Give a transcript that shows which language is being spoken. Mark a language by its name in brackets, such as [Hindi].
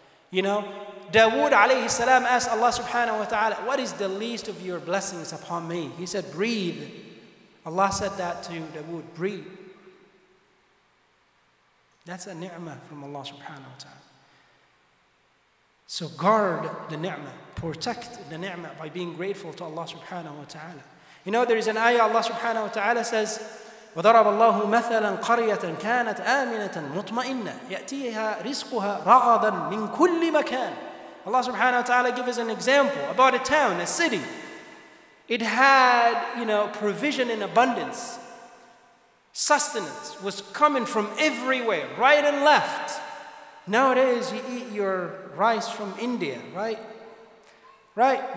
[English] You know, Dawood alayhi salam asked Allah subhanahu wa ta'ala, what is the least of your blessings upon me? He said, breathe. Allah said that to Dawood, breathe. That's a ni'mah from Allah subhanahu wa ta'ala. So guard the ni'mah, protect the ni'mah by being grateful to Allah subhanahu wa ta'ala. You know, there is an ayah Allah subhanahu wa ta'ala says, [Arabic] وَضَرَبَ اللَّهُ مَثَلًا قَرْيَةً كَانَتْ آمِنَةً مُطْمَئِنَّةً يَأْتِيهَا رِزْقُهَا رَغَدًا مِنْ كُلِّ مَكَانٍ. [English] Allah subhanahu wa ta'ala gives us an example about a town, a city. It had, you know, provision in abundance. Sustenance was coming from everywhere, right and left. Nowadays, you eat your rice from India, right? Right?